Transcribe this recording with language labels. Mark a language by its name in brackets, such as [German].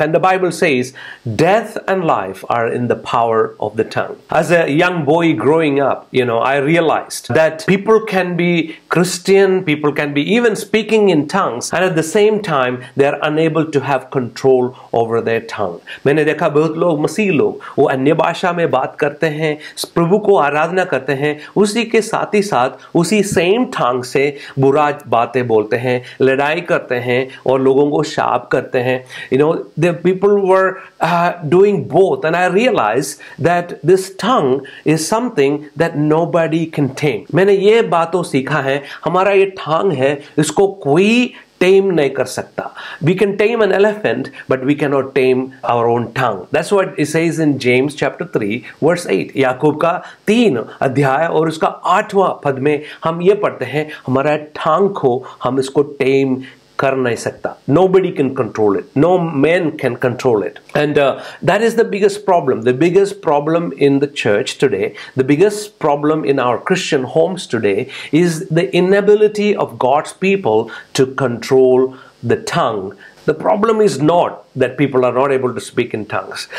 [English] And the Bible says, death and life are in the power of the tongue. As a young boy growing up, you know, I realized that people can be Christian, people can be even speaking in tongues, and at the same time, they are unable to have control over their tongue. [Hindi] मैंने देखा बहुत लोग मसीह लोग वो अन्य भाषा में बात करते हैं, प्रभु को आराधना करते हैं, उसी के साथ ही साथ उसी सेम ठांग से बुरा बातें बोलते हैं, लड़ाई करते हैं और लोगों को शाप करते हैं. [English] You know the people were doing both, and I realize that this tongue is something that nobody can tame. [Hindi] मैंने ये बातों सीखा है, हमारा ये ठांग है इसको कोई टेम नहीं कर सकता. [English] We can tame an elephant but we can not tame our own tongue. That's what it says in James chapter 3 verse 8. [Hindi] याकूब का 3 अध्याय और उसका 8वां पद में हम ये पढ़ते हैं, हमारा टंग को हम इसको टेम कर नहीं सकता. [English] Nobody can control it. No man can control it. And that is the biggest problem. The biggest problem in the church today, the biggest problem in our Christian homes today is the inability of God's people to control the tongue. The problem is not that people are not able to speak in tongues.